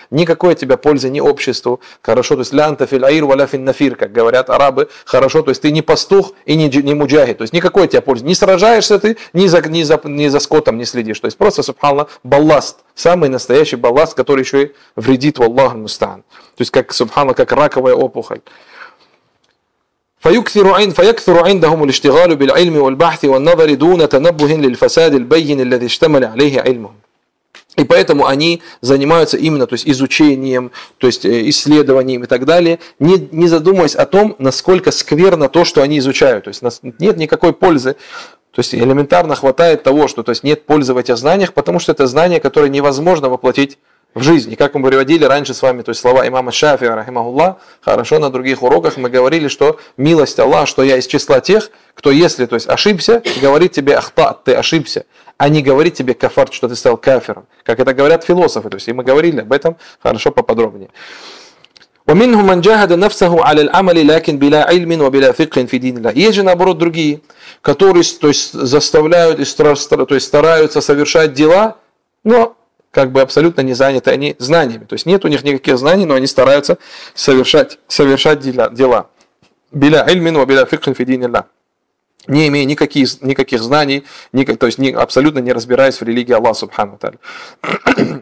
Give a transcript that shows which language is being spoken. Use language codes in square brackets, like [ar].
[ru] Никакой от тебя пользы ни обществу. Хорошо, то есть [ar] лянта филь аир валя филь нафир, [ru] как говорят арабы. Хорошо, то есть ты не пастух и не муджахид. То есть никакой от тебя пользы. Не сражаешься ты, ни за скотом не следишь. То есть просто, субханна, балласт. Самый настоящий балласт, который еще и вредит, [ar] валлаху мустаан. [ru] То есть, как, субханна, как раковая опухоль. [ar] فيكثر عندهم الاشتغال بالعلم والبحث والنظر دون تنبه للفساد البين الذي اشتمل عليه علمهم. [ru] И поэтому они занимаются именно, то есть, изучением, то есть исследованием и так далее, не задумываясь о том, насколько скверно то, что они изучают. То есть нет никакой пользы. То есть элементарно хватает того, что, то есть, нет пользы в этих знаниях, потому что это знания, которые невозможно воплотить в жизни. Как мы приводили раньше с вами, то есть слова имама Шафия, рахимахуллах, хорошо, на других уроках мы говорили, что милость Аллаха, что я из числа тех, кто, если, то есть, ошибся, говорит тебе: ахта, ты ошибся, а не говорит тебе: кафарт, что ты стал кафиром, как это говорят философы, то есть, и мы говорили об этом хорошо поподробнее. [ar] ومنهم من جاهد نفسه على العمل لكن بلا علم وبلا فقه في دين الله. [ru] Есть же, наоборот, другие, которые, то есть, заставляют и стараются совершать дела, но как бы абсолютно не заняты они знаниями. То есть нет у них никаких знаний, но они стараются совершать дела. [ar] Биля ильмин ва биля фикхин фи дин илля. [ru] Не имея никаких знаний, то есть абсолютно не разбираясь в религии Аллаха субхана ва тааля.